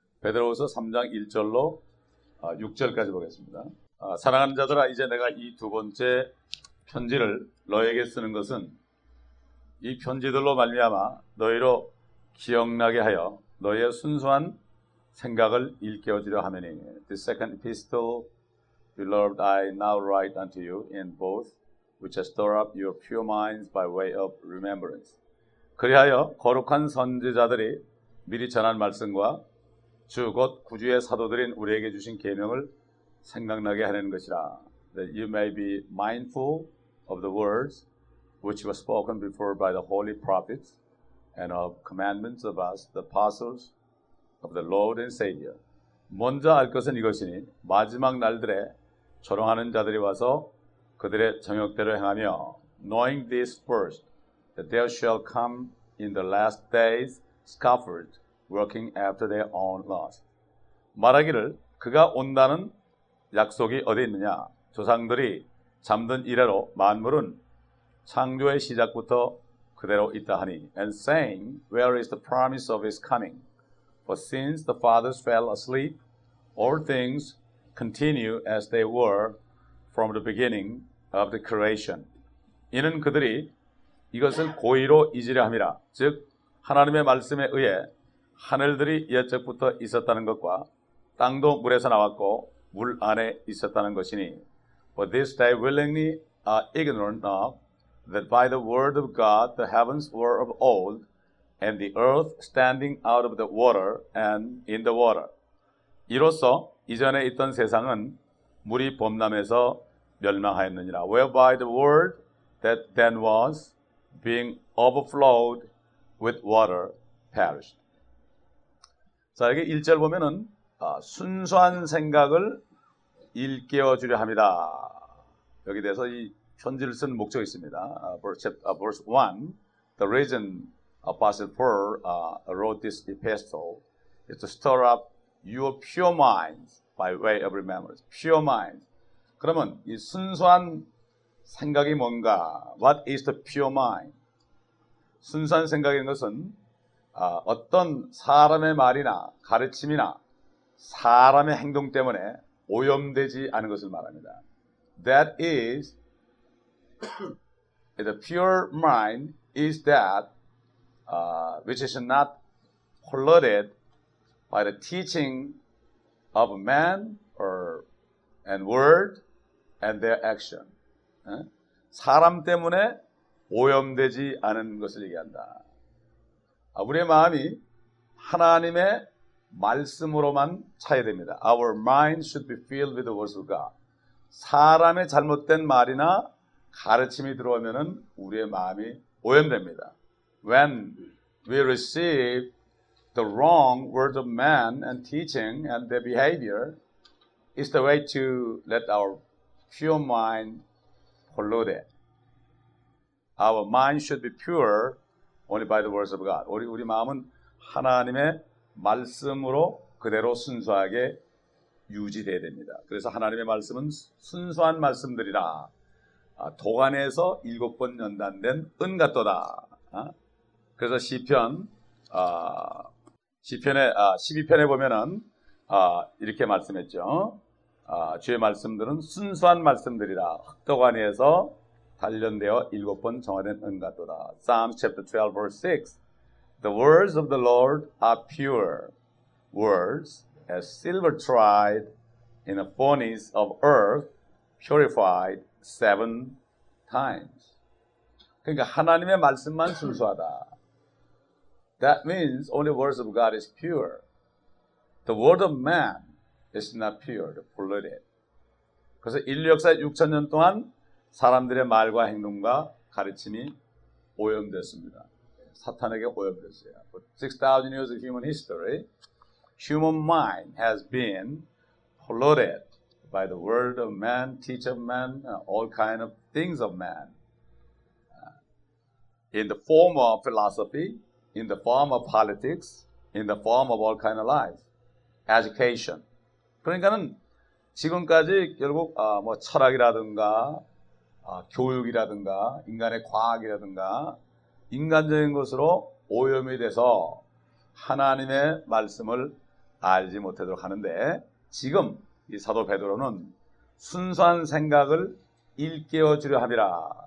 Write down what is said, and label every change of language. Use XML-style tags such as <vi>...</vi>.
<ko>베드로후서 3장 1절로 6절까지 보겠습니다. 사랑하는 자들아, 이제 내가 이 두 번째 편지를 너에게 쓰는 것은 이 편지들로 말미암아 너희로 기억나게 하여 너희의 순수한 생각을 일깨워주려 하매니.</ko> <en>The second epistle, Beloved, I now write unto you in both, which has stirred up your pure minds by way of remembrance.</en> <ko>그리하여 거룩한 선지자들이 미리 전한 말씀과 주 곧 구주의 사도들인 우리에게 주신 계명을 생각나게 하려는 것이라.</ko> <en>That you may be mindful of the words which were spoken before by the holy prophets and of commandments of us, the apostles of the Lord and Savior.</en> <ko>먼저 알 것은 이것이니 마지막 날들에 조롱하는 자들이 와서 그들의 정욕대로 행하며</ko> <en>Knowing this first, that there shall come in the last days scoffers working after their own lust.</en> <ko>말하기를 그가 온다는 약속이 어디 있느냐? 조상들이 잠든 이래로 만물은 창조의 시작부터 그대로 있다 하니</ko> <en>And saying, Where is the promise of his coming? For since the fathers fell asleep, all things continue as they were from the beginning of the creation.</en> <ko>이는 그들이 이것을 고의로 잊으려 함이라. 즉 하나님의 말씀에 의해 하늘들이 옛적부터 있었다는 것과 땅도 물에서 나왔고 물 안에 있었다는 것이니.</ko> <en>For this they willingly are ignorant of that by the word of God the heavens were of old and the earth standing out of the water and in the water.</en> <ko>이로써 이전에 있던 세상은 물이 범람해서 멸망하였느니라.</ko> <en>Whereby the world that then was being overflowed with water perished.</en> <ko>자, 여기 1절 보면은 순수한 생각을 일깨워주려 합니다. 여기 대해서 이 편지를 쓴 목적이 있습니다.</ko> <en>Verse 1, the reason Apostle Paul wrote this epistle is to stir up your pure minds by way of remembrance, pure mind.</en> <ko>그러면 이 순수한 생각이 뭔가?</ko> <en>What is the pure mind?</en> <ko>순수한 생각인 것은 어떤 사람의 말이나 가르침이나 사람의 행동 때문에 오염되지 않은 것을 말합니다.</ko> <en>That is, the pure mind is that which is not polluted by the teaching of man or and word and their action.</en> <ko>사람 때문에 오염되지 않은 것을 얘기한다. 우리의 마음이 하나님의 말씀으로만 차야 됩니다.</ko> <en>Our mind should be filled with the words of God.</en> <ko>사람의 잘못된 말이나 가르침이 들어오면은 우리의 마음이 오염됩니다.</ko> <en>When we receive the wrong words of man and teaching and their behavior is the way to let our pure mind polluted. Our mind should be pure only by the words of God.</en> <ko>우리 마음은 하나님의 말씀으로 그대로 순수하게 유지되어야 됩니다. 그래서 하나님의 말씀은 순수한 말씀들이라 도간에서 일곱 번 연단된 은 같도다. 그래서 12편에 보면은 이렇게 말씀했죠. 주의 말씀들은 순수한 말씀들이라 흙도가니에서 단련되어 일곱 번 정화된 은 같도다.</ko> <en>Psalms chapter 12 verse 6. The words of the Lord are pure words as silver tried in a furnace of earth purified seven times.</en> <ko>그러니까 하나님의 말씀만 순수하다.</ko> <en>That means only words of God is pure. The word of man is not pure, polluted.</en> <ko>그래서 인류 역사 6000년 동안 사람들의 말과 행동과 가르침이 오염됐습니다. 사탄에게 오염됐어요.</ko> <en>For 6,000 years of human history, human mind has been polluted by the word of man, teach of man, all kind of things of man. In the form of philosophy, in the form of politics, in the form of all kind of life, education.</en> <ko>그러니까는 지금까지 결국 뭐 철학이라든가 교육이라든가 인간의 과학이라든가 인간적인 것으로 오염이 돼서 하나님의 말씀을 알지 못하도록 하는데 지금 이 사도 베드로는 순수한 생각을 일깨워 주려 합니다.</ko>